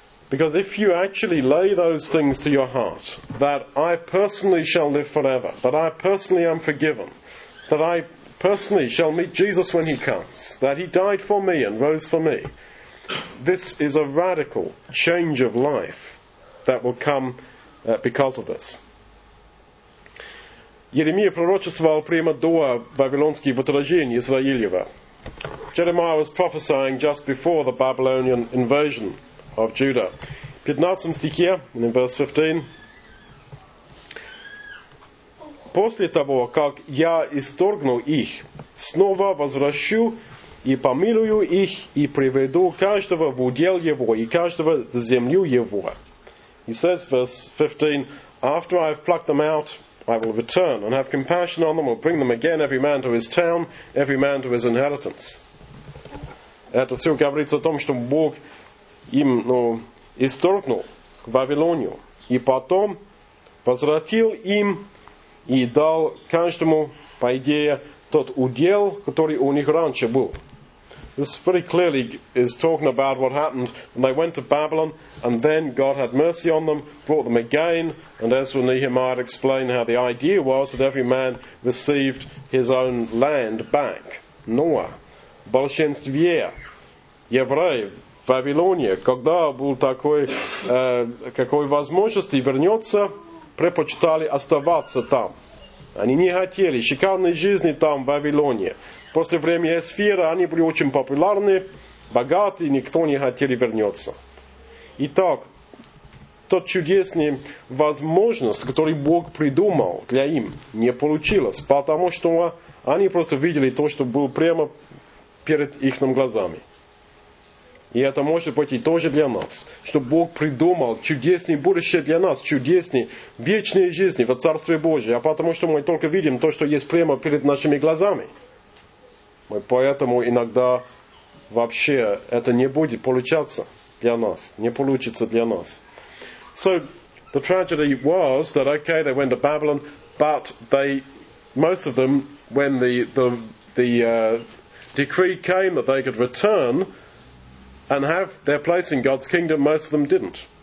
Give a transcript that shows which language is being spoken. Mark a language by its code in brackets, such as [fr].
[en] Because if you actually lay those things to your heart, that I personally shall live forever, that I personally am forgiven, that I personally shall meet Jesus when he comes, that he died for me and rose for me, this is a radical change of life that will come because of this. [ru] Jeremiah пророчествовал прямо до вавилонских вторжений Израилева. [en] Jeremiah was prophesying just before the Babylonian invasion of Judah. [ru] 15 стихе, [en] in verse 15. [ru] После того, как я исторгну их, снова возвращу и помилую их, и приведу каждого в удел его, и каждого в землю его. [en] He says, verse 15, after I have plucked them out, I will return, and have compassion on them, will bring them again, every man to his town, every man to his inheritance. [ru] Это все говорится о том, что Бог им, ну, исторгнул Вавилонию, и потом возвратил им и дал каждому, по идее, тот удел, который у них раньше был. [en] This very clearly is talking about what happened when they went to Babylon, and then God had mercy on them, brought them again, and Ezra Nehemiah explained how the idea was that every man received his own land back. [ru] Noah, большинстве евреев в Вавилонии, когда был такой, какой возможности вернется, предпочитали оставаться там. Они не хотели шикарной жизни там, в Вавилонии. После времени Эсфира они были очень популярны, богаты, никто не хотел вернуться. Итак, тот чудесный возможность, который Бог придумал для им, не получилось, потому что они просто видели то, что было прямо перед их глазами. И это может быть и тоже для нас, что Бог придумал чудесное будущее для нас, чудесные вечные жизни во Царстве Божьем, а потому что мы только видим то, что есть прямо перед нашими глазами. Мы поэтому иногда вообще это не будет получаться для нас, не получится для нас. [en] So, the tragedy was that, okay, they went to Babylon, but they, most of them, when the decree came that they could return and have their place in God's kingdom, most of them didn't.